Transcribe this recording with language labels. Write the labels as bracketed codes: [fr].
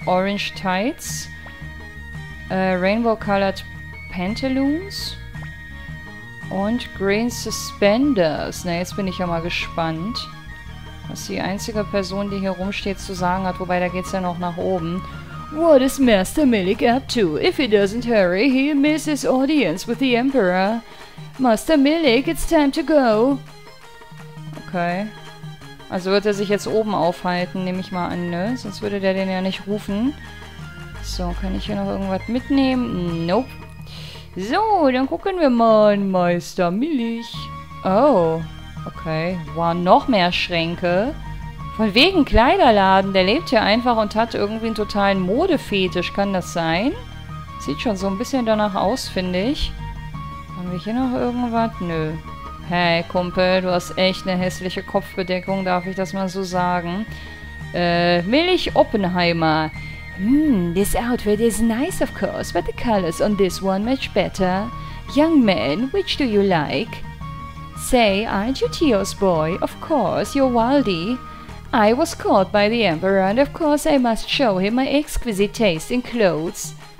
[en] Orange Tights. Rainbow Colored Pantaloons. [de] Und Green Suspenders. Na, jetzt bin ich ja mal gespannt. Was die einzige Person, die hier rumsteht, zu sagen hat. Wobei, da geht's ja noch nach oben. [en] What is Master Milik up to? If he doesn't hurry, he'll miss his audience with the Emperor. Master Milik, it's time to go. Okay. [de] Also wird er sich jetzt oben aufhalten, nehme ich mal an, ne? Sonst würde der den ja nicht rufen. So, kann ich hier noch irgendwas mitnehmen? Nope. So, dann gucken wir mal, Meister Milik. Oh, okay. Wow, noch mehr Schränke. Von wegen Kleiderladen, der lebt hier einfach und hat irgendwie einen totalen Modefetisch, kann das sein? Sieht schon so ein bisschen danach aus, finde ich. Haben wir hier noch irgendwas? Nö. Hey, Kumpel, du hast echt eine hässliche Kopfbedeckung, darf ich das mal so sagen? Milik Oppenheimer. [en] This outfit is nice, of course, but the colors on this one match better. Young man, which do you like? Say, aren't you Tio's boy? Of course, you're Waldi. I was caught by the Emperor, and of course I must show him my exquisite taste in clothes.